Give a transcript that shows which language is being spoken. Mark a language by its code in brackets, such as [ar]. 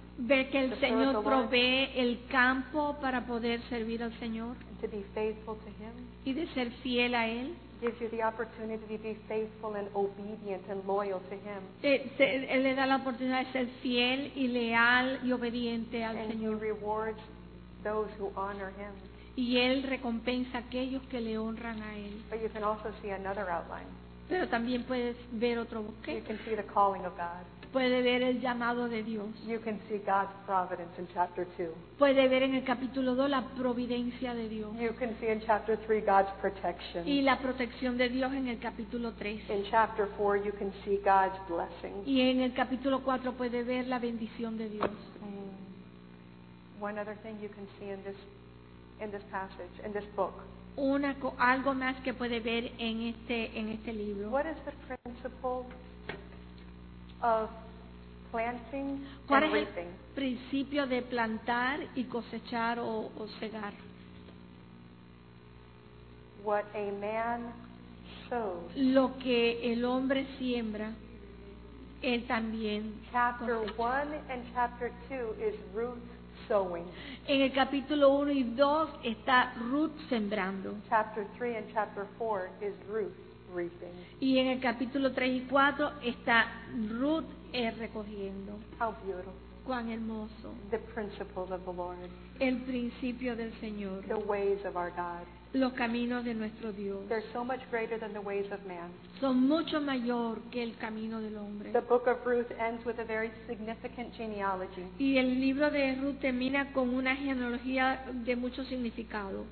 [es] Ver que el Señor provee el campo para poder servir al Señor [en] to be faithful to him, [es] y de ser fiel a Él. [en] Gives you the opportunity to be faithful and obedient and loyal to him. [es] Él le da la oportunidad de ser fiel y leal y obediente al [en] and [es] Señor. [en] He rewards those who honor him. [es] Y Él recompensa a aquellos que le honran a Él. [en] But you can also see another outline. [es] Pero también puedes ver otro bosque. [en] You can see the calling of God. [es] Puede ver el llamado de Dios. [en] You can see God's providence in chapter 2. [es] Puede ver en el capítulo 2 la providencia de Dios. [en] You can see in chapter 3 God's protection. [es] Y la protección de Dios en el capítulo 3. [en] In chapter 4 you can see God's blessing. [es] Y en el capítulo 4 puede ver la bendición de Dios. [en] One other thing you can see in this in this passage, in this book. [es] Una, algo más que puede ver en este libro. [en] What is the principle of planting and reaping? [es] ¿Cuál es el principio de plantar y cosechar o segar? [en] What a man sows. [es] Lo que el hombre siembra, él también cosecha. [en] Chapter 1 and chapter 2 is root sowing. [es] En el capítulo 1 y 2 está root sembrando. [en] Chapter 3 and chapter 4 is root reaping. [es] Y en el capítulo 3 y 4 está root recogiendo. [en] How beautiful. [es] Cuán hermoso. [en] The principles of the Lord. [es] El principio del Señor. [en] The ways of our God. [es] Los caminos de nuestro Dios. [en] They're so much greater than the ways of man. [es] Son mucho mayor que el camino del hombre. [en] The book of Ruth ends with a very significant genealogy. [es] Y el libro de Ruth termina con una genealogía de mucho significado.